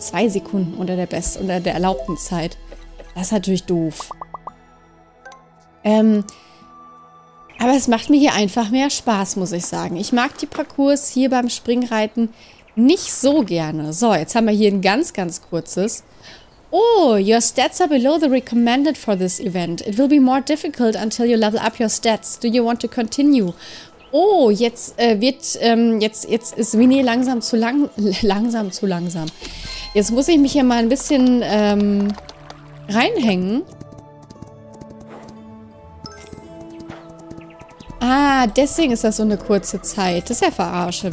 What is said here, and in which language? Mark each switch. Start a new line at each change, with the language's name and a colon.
German: 2 Sekunden unter der erlaubten Zeit. Das ist natürlich doof. Aber es macht mir hier einfach mehr Spaß, muss ich sagen. Ich mag die Parcours hier beim Springreiten nicht so gerne. So, jetzt haben wir hier ein ganz, ganz kurzes.
English: Oh, your stats are below the recommended for this event. It will be more difficult until you level up your stats. Do you want to continue?
German: Oh, jetzt jetzt ist Winnie langsam zu lang, langsam zu langsam. Jetzt muss ich mich hier mal ein bisschen reinhängen. Ah, deswegen ist das so eine kurze Zeit. Das ist ja verarsche.